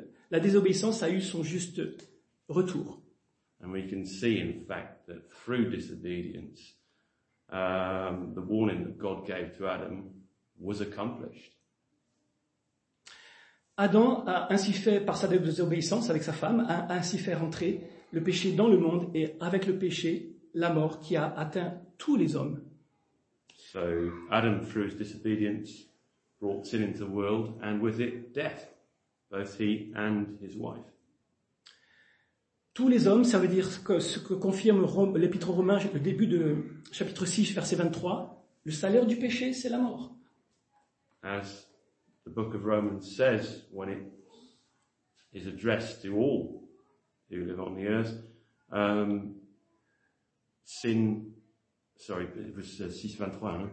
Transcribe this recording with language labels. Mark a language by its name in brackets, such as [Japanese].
[French] La désobéissance a eu son juste retour. [English] And we can see, in fact, that through disobedience, the warning that God gave to Adam was accomplished. [French] Adam a ainsi fait, par sa désobéissance avec sa femme, a ainsi fait rentrer le péché dans le monde, et avec le péché, la mort qui a atteint tous les hommes. [English] So Adam, through his disobedience, brought sin into the world, and with it, death, both he and his wife. [French] Tous les hommes, ça veut dire ce que confirme l'Épître aux Romains, le début de chapitre 6, verset 23, le salaire du péché, c'est la mort. [English] As the book of Romans says, when it is addressed to all who live on the earth, sin, sorry, it was 6:23, hein?